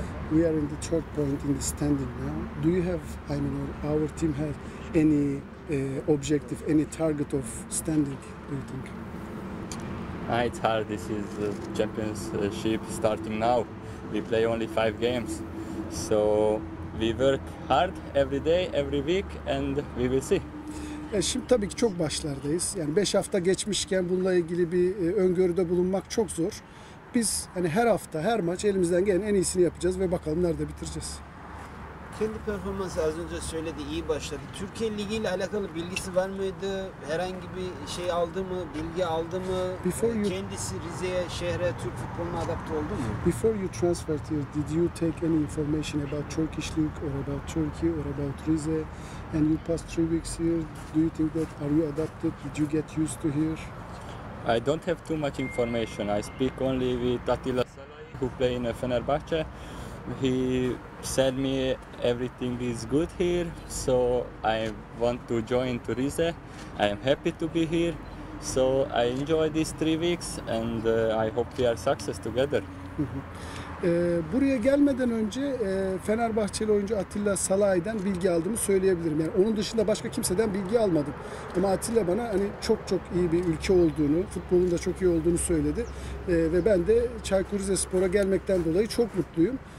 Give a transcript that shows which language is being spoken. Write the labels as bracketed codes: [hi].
[en] We are in the third point in the standing now. Do you have, I mean, our team have any objective, any target of standing, do you think? It's hard. This is the championship starting now. We play only 5 games. So we work hard every day, every week, and we will see. [tr] Şimdi tabii ki çok başlardayız. Yani 5 hafta geçmişken bununla ilgili bir öngörüde bulunmak çok zor. Biz hani her hafta, her maç elimizden gelen en iyisini yapacağız ve bakalım nerede bitireceğiz. Kendi performansı az önce söyledi, iyi başladı. Türkiye Ligi ile alakalı bilgisi var mıydı? Herhangi bir şey aldı mı, bilgi aldı mı? Kendisi Rize'ye, şehre, Türk futboluna adapte oldu mu? [en] Before you transferred here, did you take any information about Turkish League or about Turkey or about Rize? And you passed 3 weeks here, do you think that, are you adapted, did you get used to here? I don't have too much information, I speak only with Attila Salai, who play in Fenerbahce. He said me everything is good here, so I want to join to Rize. I am happy to be here, so I enjoy these 3 weeks and I hope we are success together. [tr] Buraya gelmeden önce Fenerbahçeli oyuncu Attila Salay'dan bilgi aldığımı söyleyebilirim. Yani onun dışında başka kimseden bilgi almadım. Ama Attila bana hani çok çok iyi bir ülke olduğunu, futbolun da çok iyi olduğunu söyledi. Ve ben de Çaykur Rizespor'a gelmekten dolayı çok mutluyum.